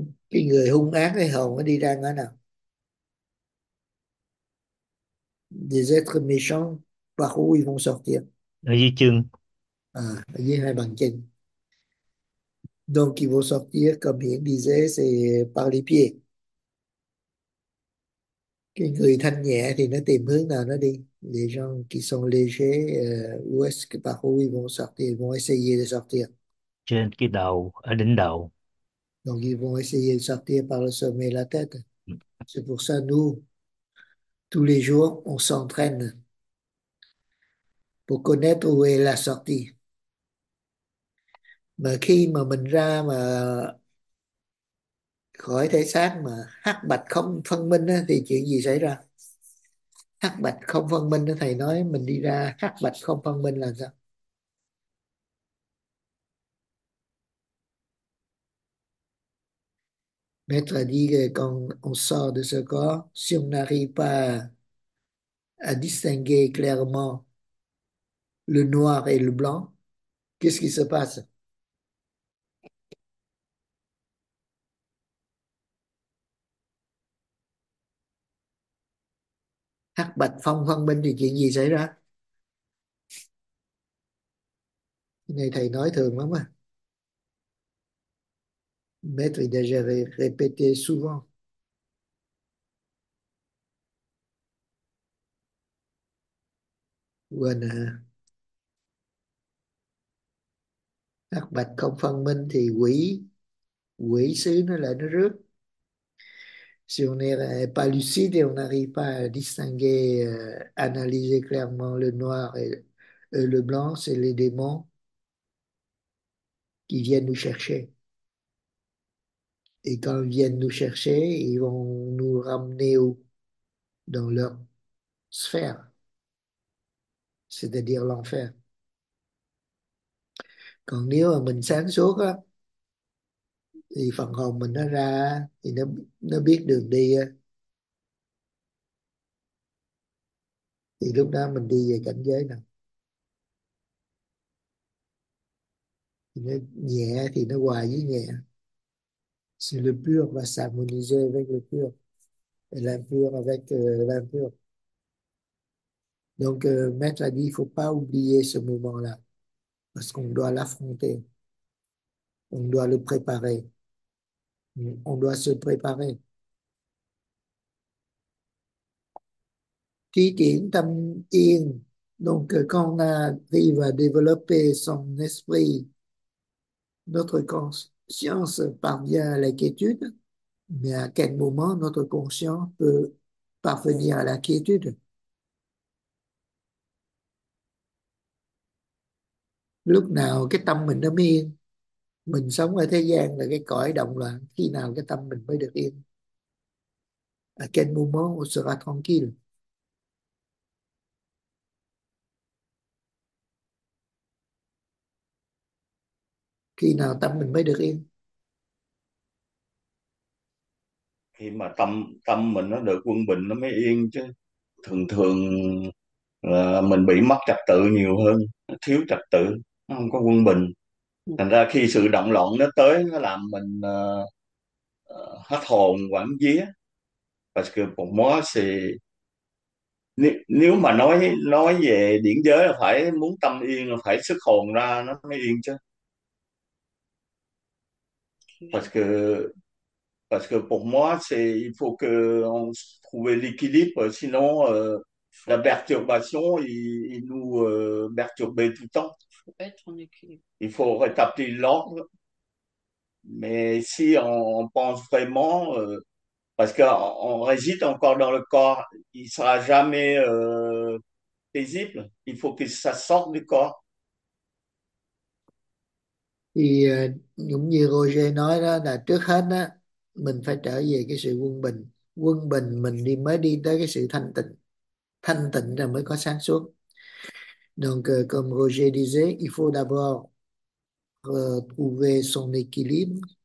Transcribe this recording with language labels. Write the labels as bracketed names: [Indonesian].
[Vietnamese] Cái người hung ác cái hồn nó đi ra ngõ nào? [French] Des êtres méchants, par où ils vont sortir? [Vietnamese] Ở dưới chân. À, ở dưới hai bàn chân. [French] Donc, ils vont sortir, comme Hiển disait, c'est par les pieds. [Vietnamese] Cái người thanh nhẹ thì nó tìm hướng nào nó đi. [French] Les gens qui sont légers, où est-ce que, par où ils vont sortir? Ils vont essayer de sortir. [Vietnamese] Trên cái đầu, ở đỉnh đầu. [French] Donc, ils vont essayer de sortir par le sommet de la tête. C'est pour ça, nous, tous les jours, on s'entraîne pour connaître où est la sortie. [Vietnamese] Mà khi mà mình ra mà khỏi thể xác mà hắc bạch không phân minh á, thì chuyện gì xảy ra? Hắc bạch không phân minh á, thầy nói mình đi ra hắc bạch không phân minh là sao? [French] Maître dit que quand on sort de ce corps, si on n'arrive pas à distinguer clairement le noir et le blanc, qu'est-ce qui se passe? [Vietnamese] Hắc bạch phong phân minh thì chuyện gì xảy ra? Này thầy nói thường lắm à. [French] Maître, il a déjà répété souvent. [Vietnamese] Quên hả? Hắc bạch không phân minh thì quỷ, quỷ sứ nó lại nó rước. [French] Si on n'est pas lucide et on n'arrive pas à distinguer, analyser clairement le noir et le blanc, c'est les démons qui viennent nous chercher. Et quand ils viennent nous chercher, ils vont nous ramener où? Dans leur sphère, c'est-à-dire l'enfer. [Vietnamese] Còn nếu mà mình sáng suốt á, thì phần hồn mình nó ra thì nó biết đường đi á, thì lúc đó mình đi về cảnh giới nào? Nó nhẹ thì nó hòa với nhẹ. [French] C'est le pur va s'harmoniser avec le pur et l'impur avec l'impur. Donc, Maître a dit il ne faut pas oublier ce moment-là parce qu'on doit l'affronter, on doit le préparer, on doit se préparer. [Vietnamese] Thi triển tâm yên, [French] donc quand on arrive à développer son esprit, notre conscience. Science parvient à la quiétude, mais à quel moment notre conscience peut parvenir à la quiétude? [Vietnamese] Lúc nào cái tâm mình nó mới yên? Mình sống ở thế gian là cái cõi động loạn, khi nào cái tâm mình mới được yên? À, trên mu mô [French] sera tranquille. [Vietnamese] Khi nào tâm mình mới được yên? Khi mà tâm tâm mình nó được quân bình nó mới yên chứ. Thường thường là mình bị mất trật tự nhiều hơn, nó thiếu trật tự, nó không có quân bình. Thành ra khi sự động loạn nó tới, nó làm mình hết hồn hoảng vía. Và cái một thì nếu mà nói về điển giới là phải muốn tâm yên là phải xuất hồn ra nó mới yên chứ. [French] Parce que pour moi, il faut qu'on trouve l'équilibre, sinon la perturbation, il nous perturbe tout le temps. Faut être en équilibre. Il faut rétablir l'ordre. Mais si on pense vraiment, parce qu'on réside encore dans le corps, il ne sera jamais paisible. Il faut que ça sorte du corps. [Vietnamese] Thì cũng như Roger nói đó, là trước hết đó, mình phải trở về cái sự quân bình. Quân bình mình đi mới đi tới cái sự thanh tịnh. Thanh tịnh rồi mới có sáng suốt. [French] Donc, comme Roger disait, il faut d'abord trouver son équilibre.